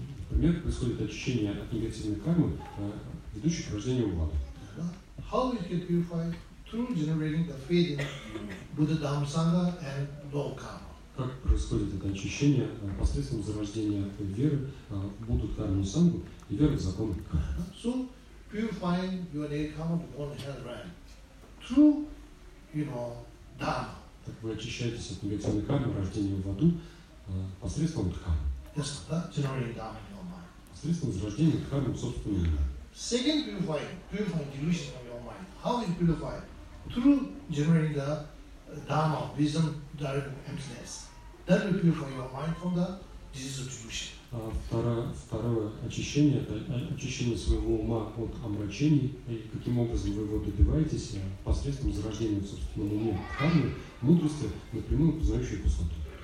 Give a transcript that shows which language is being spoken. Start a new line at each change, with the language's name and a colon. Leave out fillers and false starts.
Russian: Например, происходит очищение от негативной кармы, ведущей к рождению в ад.
English: How we can purify through generating the faith in Buddha, Dhamma, Sangha and low karma?
Russian: Как происходит это очищение посредством зарождения веры в Будду, Дхарму, Сангу и веры в закон?
English: So purifying your negative karma to go on hell realm through, you know, Dhamma.
Russian: Так вы очищаетесь от негативной кармы, рождения в аду посредством Дхармы.
English: Yes, that generating Dhamma in your mind.
Russian: Посредством зарождения Дхармы в собственном уме.
English: Second purifying delusion of your mind. How is purified? Through generating the Dhamma, wisdom, direct emptiness. That will purify your mind from the disease of delusion.
Russian: Второе очищение – это очищение своего ума от омрачений. И каким образом вы его добиваетесь? Посредством зарождения в собственном уме Дхармы, мудрости, напрямую познающей пустоту.